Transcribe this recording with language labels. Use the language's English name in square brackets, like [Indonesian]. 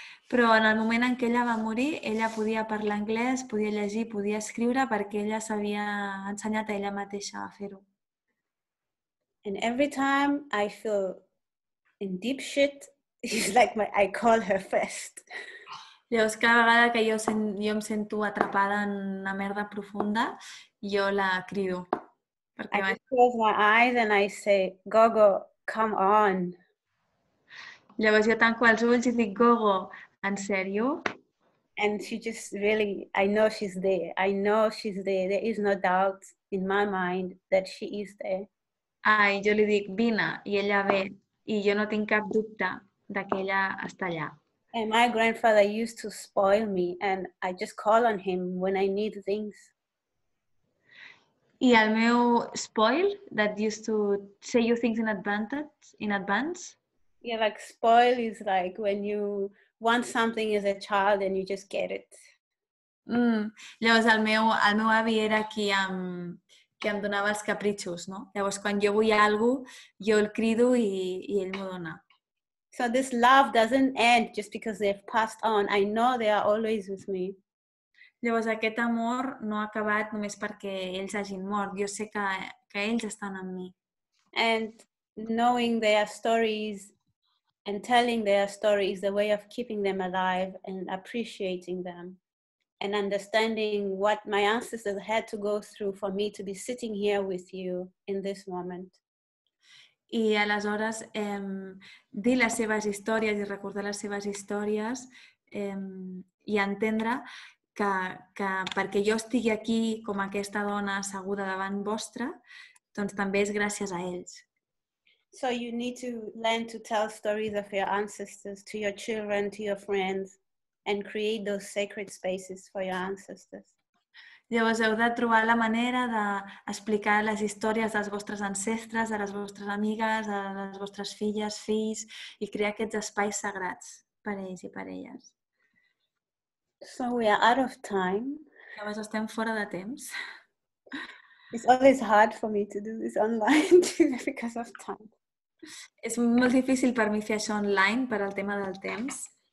[Catalan] Però en el moment en què ella va morir, ella podia parlar anglès, podia llegir, podia escriure perquè ella s'havia ensenyat a ella mateixa a fer-ho. [English] And every time I feel in deep shit, it's like I call her first. [Catalan] Llavors, cada vegada que jo em sento atrapada en una merda profunda, jo la crido. [English] I close my eyes and I say, Gogo, come on. [Catalan] Llavors jo tanco els ulls i dic, Gogo, en sèrio? [English] And she just really, I know she's there. I know she's there. There is no doubt in my mind that she is there. [Catalan] Ai, jo li dic, vine, i ella ve. I jo no tinc cap dubte de que ella està allà. [English] And my grandfather used to spoil me and I just call on him when I need things. [Catalan] I el meu [English] spoil, that used to say you things in advance. Yeah, like spoil is like when you want something as a child and you just get it. [Catalan] Mm. Llavors el meu avi era qui em donava els capritxos, no? Llavors quan jo vull alguna cosa, jo el crido i ell m'ho dona. [English] So this love doesn't end just because they've passed on. I know they are always with me. [Catalan] Llavors aquest amor no ha acabat només perquè ells hagin mort. Jo sé que ells estan amb mi. [English] And knowing their stories and telling their stories is the way of keeping them alive and appreciating them. And understanding what my ancestors had to go through for me to be sitting here with you in this moment. [Catalan] I aleshores, dir les seves històries i recordar les seves històries i entendre que perquè jo estigui aquí com aquesta dona asseguda davant vostra, doncs també és gràcies a ells. [English] So you need to learn to tell stories of your ancestors to your children, to your friends, and create those sacred spaces for your ancestors. [Catalan] Llavors heu de trobar la manera d'explicar les històries dels vostres ancestres, de les vostres amigues, de les vostres filles, fills, i crear aquests espais sagrats per ells i per elles. [English] So we are out of time. [Catalan] Llavors estem fora de temps. [English] It's always hard for me to do this online because of time. [Catalan] És molt difícil per mi fer això online per al tema del temps.